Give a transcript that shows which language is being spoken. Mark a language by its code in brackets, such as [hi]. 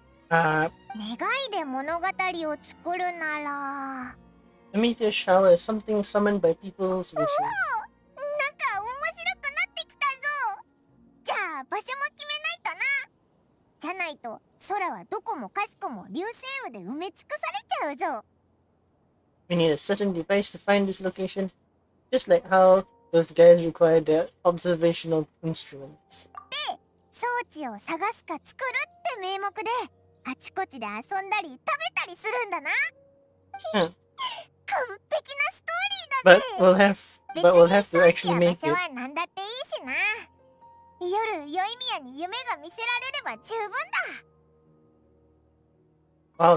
[ja] 願いで物語を作るなら、 [en] A meteor shower is something summoned by people's wishes. [ja] なんか面白くなってきたぞ。じゃあ場所も決めないとな。じゃないと空はどこもかしこも流星雨で埋め尽くされちゃうぞ。 [en] We need a certain device to find this location, just like how those guys required their observational instruments. [ja] で、装置を探すか作るって名目で、あちこちで遊んだり食べたりするんだな。完璧なストーリーだぜ。 [en] But we'll have to actually make it. [ja] 別に装置や場所は何だっていいしな。夜、宵宮に夢が見せられれば十分だ。